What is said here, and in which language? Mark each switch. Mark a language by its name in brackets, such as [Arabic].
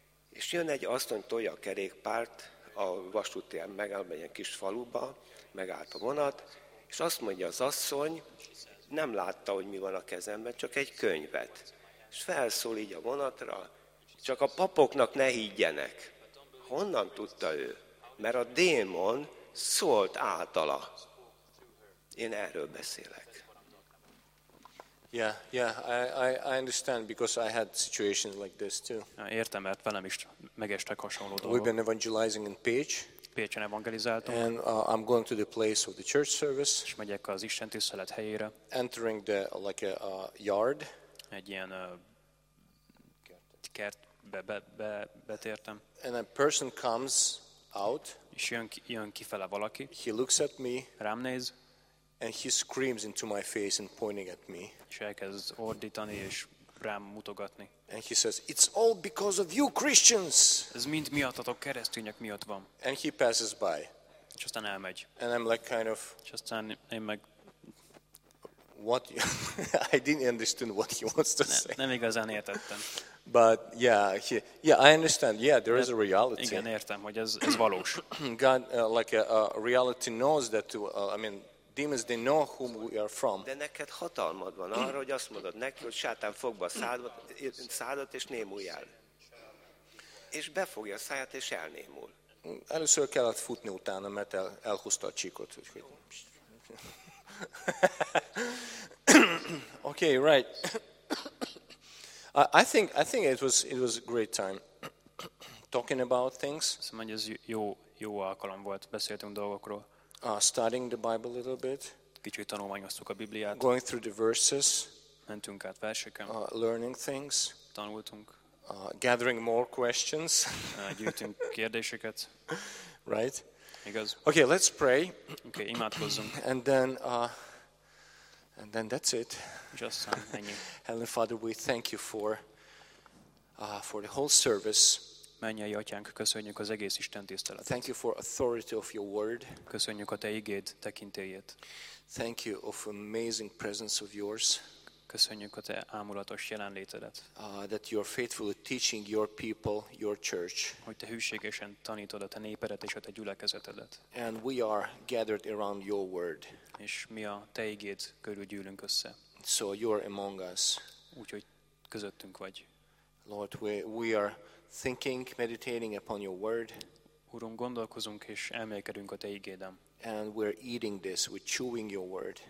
[Hungarian] És jön egy asszony, tolja a kerékpárt, a vasúti megállt egy kis faluba, megállt a vonat, és azt mondja az asszony, nem látta, hogy mi van a kezemben, csak egy könyvet. És felszól így a vonatra, csak a papoknak ne higgyenek. Honnan tudta ő? Mert a démon szólt általa. Én erről beszélek. [English] Yeah, I understand because I had situations like this too. [Hungarian] Értem, mert velem is megestek hasonló dolgok. [English] We've been evangelizing in Pécs. [Hungarian] Pécsen evangelizáltunk. [English] And I'm going to the place of the church service. [Hungarian] És megyek az Isten tisztelet helyére. [English] Entering the like a yard. [Hungarian] Egy ilyen kertbe betértem. [English] And a person comes out. [Hungarian] És jön kifele valaki. [English] He looks at me. [Hungarian] Rám néz. [English] And he screams into my face and pointing at me. [Hungarian] És elkezd ordítani és rám mutogatni. [English] And he says, it's all because of you Christians. [Hungarian] Ez mind miattatok, keresztények miatt van. [English] And he passes by. [Hungarian] És aztán elmegy. [English] And I'm like kind of... [Hungarian] És aztán én meg... [English] What? I didn't understand what he wants to say. [Hungarian] Nem igazán értettem. [English] But yeah, I understand. Yeah, there is a reality. [Hungarian] Igen, értem, hogy ez valós. [English] God, like a reality knows that, demons, they know whom we are from. [Hungarian] De neked hatalmad van arra, hogy azt mondod neki, hogy Sátán fogva szádat és némuljál. És befogja a száját, és elnémul. Először kellett futni utána, mert elhúzta a csíkot. [English] Okay, right. I think it was a great time talking about things. [Hungarian] Szóval ez jó alkalom volt, beszéltünk dolgokról. [English] Studying the Bible a little bit. [Hungarian] kicsit tanulmányoztuk a Bibliát. [English] Going through the verses. [Hungarian] Mentünk át verseken. [English] Learning things. [Hungarian] Tanultunk. [English] Gathering more questions. [Hungarian] Gyűjtünk kérdéseket. [English] Right? [Hungarian] Igaz. [English] Okay, let's pray. [Hungarian] Okay, imádkozzunk. [English] And then that's it. [Hungarian] Just on, ennyi. [English] Heavenly Father, we thank you for the whole service. [Hungarian] Mennyei Atyánk, köszönjük az egész Isten tiszteletet. [English] Thank you for authority of your word. [Hungarian] Köszönjük a te igéd tekintélyét. [English] Thank you of amazing presence of yours. [Hungarian] Köszönjük a te ámulatos jelenlétedet. [English] That you are faithfully teaching your people, your church. [Hungarian] Hogy te hűségesen tanítod a te néperet és a te gyülekezetedet. [English] And we are gathered around your word. [Hungarian] És mi a te igéd körül gyűlünk össze. [English] So you are among us. [Hungarian] Úgyhogy közöttünk vagy. [English] Lord, we are thinking, meditating upon your word. [Hungarian] Urunk, gondolkozunk és emlékedünk a te igéden. [English] And we're eating this, we're chewing your word.